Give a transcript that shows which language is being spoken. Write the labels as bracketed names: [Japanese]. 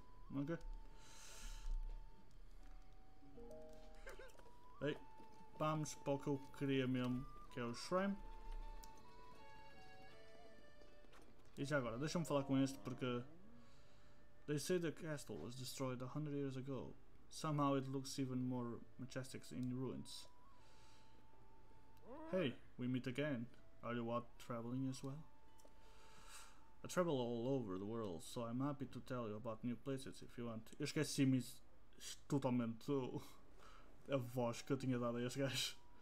[Portuguese] Ok. Bem, vamos para o que eu queria mesmo, que é o Shrine. E já agora, deixa-me falar com este porque. [English] They say the castle was destroyed 100 years ago. Somehow it looks even more majestic in ruins. Hey, we meet again. Are you out traveling as well? I travel all over the world, so I'm happy to tell you about new places if you want. [Portuguese] Eu esqueci-me totalmente a voz que eu tinha dado a este gajo.